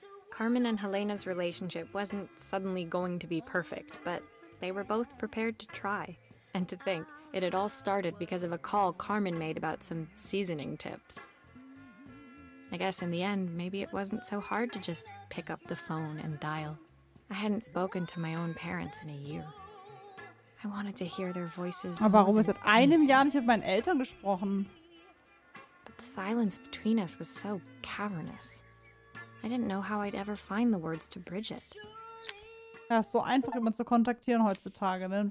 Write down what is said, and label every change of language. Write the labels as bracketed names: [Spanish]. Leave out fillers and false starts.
[English] Carmen and Helena's relationship wasn't suddenly going to be perfect, but they were both prepared to try. And to think, it had all started because of a call Carmen made about some seasoning tips. I guess in the end, maybe it wasn't so hard to just pick up the phone and dial. I hadn't spoken to my own parents in a year. I wanted to hear their voices. [German] Aber warum ist seit einem Jahr nicht mit meinen Eltern gesprochen? [English] But the silence between us was so cavernous. I didn't know how I'd ever find the words to bridge it. [German] Ja, ist so einfach, jemanden zu kontaktieren heutzutage, ne?